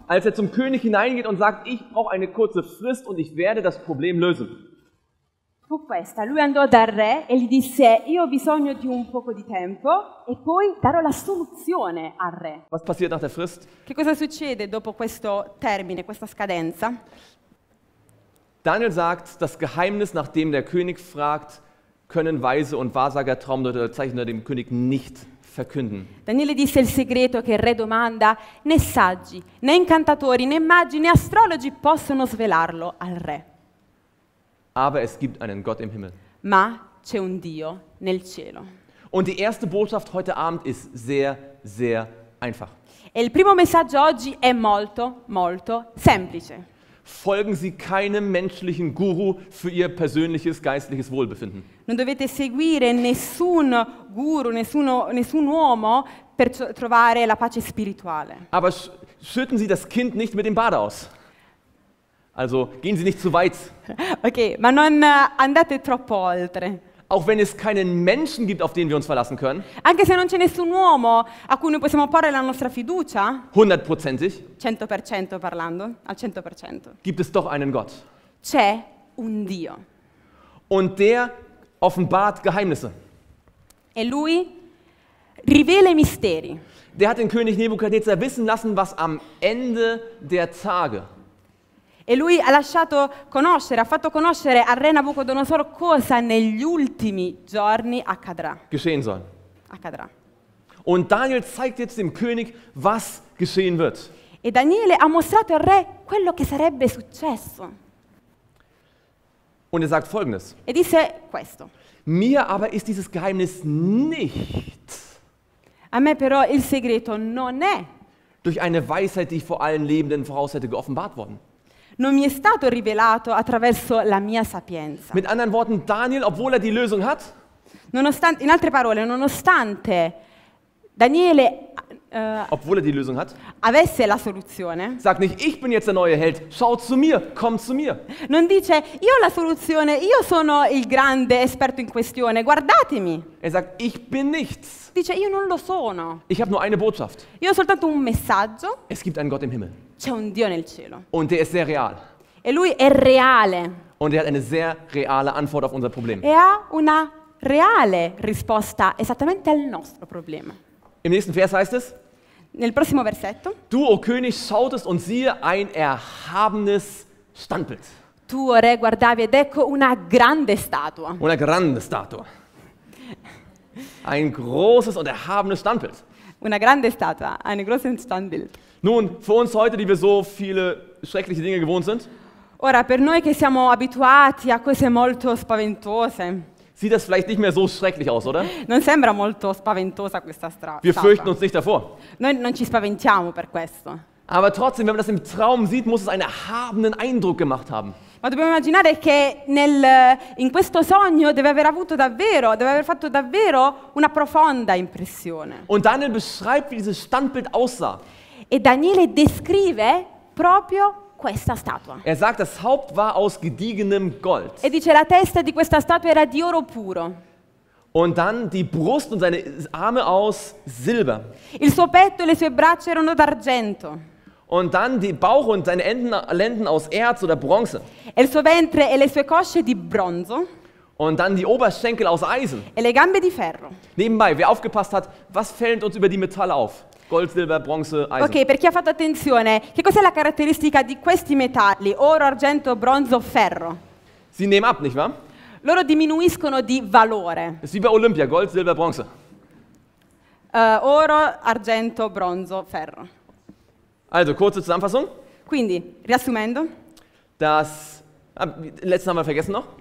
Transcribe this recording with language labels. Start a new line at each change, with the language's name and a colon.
German: Als er zum König hineingeht und sagt, ich brauche eine kurze Frist und ich werde das Problem lösen.
Italian: Fu questa, lui andò dal re e gli disse, io ho bisogno di un poco di tempo e poi darò la soluzione al re.
German: Was passiert nach der Frist?
Italian: Che cosa succede dopo questo termine, questa scadenza?
German: Daniel sagt, das Geheimnis, nachdem der König fragt, können Weise und Wahrsager, Traumdeuter oder Zeichner dem König nicht verkünden.
Italian: Daniele disse il segreto che il re domanda, né saggi, né incantatori, né magi, né astrologi possono svelarlo al re.
German: Aber es gibt einen Gott im Himmel.
Italian: Ma c'è un Dio nel cielo.
German: Und die erste Botschaft heute Abend ist sehr, sehr einfach.
Italian: E il primo messaggio oggi è molto, molto semplice.
German: Folgen Sie keinem menschlichen Guru für Ihr persönliches geistliches Wohlbefinden.
Italian: Non dovete seguire nessun guru, nessun uomo per trovare la pace spirituale.
German: Aber schütten Sie das Kind nicht mit dem Bade aus. Also, gehen Sie nicht zu weit.
Italian: Okay, ma non andate troppo oltre.
German: Auch wenn es keinen Menschen gibt, auf den wir uns verlassen können.
Italian: Anche se non c'è nessun uomo a cui noi possiamo porre la nostra fiducia.
German: Hundertprozentig.
Italian: 100% parlando, al 100%.
German: Gibt es doch einen Gott.
Italian: C'è un Dio.
German: Und der offenbart Geheimnisse.
Italian: E lui rivela i misteri.
German: Der hat den König Nebukadnezar wissen lassen, was am Ende der Tage.
Italian: E lui ha fatto conoscere al re Nabucodonosor cosa negli ultimi giorni accadrà.
German: Geschehen soll.
Italian: Accadrà.
German: Und Daniel zeigt jetzt dem König, was geschehen wird.
Italian: E Daniele ha mostrato al re quello che sarebbe successo.
German: Und sagt folgendes.
Italian: E disse questo.
German: Mir aber ist dieses Geheimnis nicht.
Italian: A me però il segreto non è
German: durch eine Weisheit, die vor allen lebenden voraus hätte geoffenbart worden.
Italian: Non mi è stato rivelato attraverso la mia sapienza.
German: Mit anderen Worten, Daniel, obwohl er die Lösung hat,
Italian: nonostante, in altre parole, nonostante Daniele
German: obwohl er die Lösung hat,
Italian: avesse la soluzione,
German: sagt nicht, ich bin jetzt der neue Held, schau zu mir, komm zu mir.
Italian: Non dice, io ho la soluzione, io sono il grande esperto in questione, guardatemi.
German: Er sagt, ich bin nichts.
Italian: Dice, io non lo sono.
German: Ich habe nur eine Botschaft.
Italian: Io ho soltanto un messaggio.
German: Es gibt einen Gott im Himmel.
Italian: C'è un Dio nel cielo.
German: Und der ist sehr real.
Italian: E lui è reale.
German: Und er hat eine sehr reale Antwort auf unser Problem.
Italian: E ha una reale risposta esattamente al nostro problema.
German: Im nächsten Vers heißt es,
Italian: nel prossimo versetto,
German: du, o König, schautest und siehe ein erhabenes Standbild.
Italian: Tu, o re, guardavi ed ecco una grande statua. Una grande statua.
German: Ein großes und erhabenes Standbild.
Italian: Una grande statua,
German: ein großes Standbild. Nun, für uns heute, die wir so viele schreckliche Dinge gewohnt sind,
Italian: ora, per noi che siamo abituati a cose molto spaventose,
German: sieht das vielleicht nicht mehr so schrecklich aus, oder?
Italian: Non sembra molto spaventosa questa strada.
German: Wir fürchten uns nicht davor.
Italian: Noi non ci spaventiamo per questo.
German: Aber trotzdem, wenn man das im Traum sieht, muss es einen erhabenen Eindruck gemacht haben.
Italian: Ma dobbiamo immaginare che nel, in questo sogno deve aver avuto davvero, deve aver fatto davvero una profonda impressione.
German: Und Daniel beschreibt, wie dieses Standbild aussah.
Italian: E Daniele descrive proprio questa statua.
German: Er sagt, das Haupt war aus gediegenem Gold.
Italian: E dice, la testa di questa statua era di oro puro.
German: Und dann die Brust und seine Arme aus Silber.
Italian: Il suo petto e le sue braccia erano d'argento.
German: Und dann die Bauch und seine Lenden aus Erz oder Bronze.
Italian: E il suo ventre e le sue cosce di bronzo.
German: Und dann die Oberschenkel aus Eisen.
Italian: E le gambe di ferro.
German: Nebenbei, wer aufgepasst hat, was fällt uns über die Metalle auf? Gold, Silber, Bronze, Eisen.
Italian: Ok, per chi ha fatto attenzione, che cos'è la caratteristica di questi metalli? Oro, argento, bronzo, ferro.
German: Sie nehmen ab, nicht wahr?
Italian: Loro diminuiscono di valore.
German: Es ist wie bei Olympia, Gold, Silber, Bronze.
Italian: Oro, argento, bronzo, ferro.
German: Also, kurze Zusammenfassung.
Italian: Quindi, riassumendo.
German: Das, letzten haben wir vergessen noch.